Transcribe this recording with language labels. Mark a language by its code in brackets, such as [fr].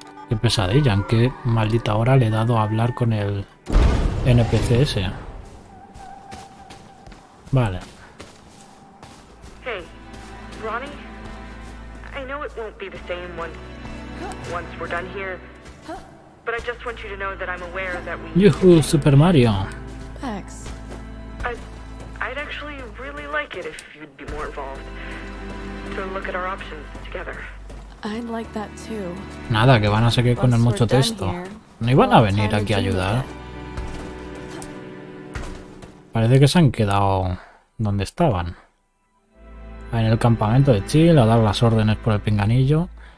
[es] Qué pesadilla, en qué maldita hora le he dado a hablar con el NPC ese. Vale. [en] Hey, Ronnie. I know it won't be the same once we're done here. But I just want you to know that I'm aware that we... Yuhu, Super Mario. Bex. I'd actually really like it if you'd be more involved. To look at our options together. I'd like that too. [es] Nada, que van a seguir con el mucho texto. No iban a venir aquí a ayudar. Parece que se han quedado donde estaban. En el campamento de Chill, a dar las órdenes por el pinganillo.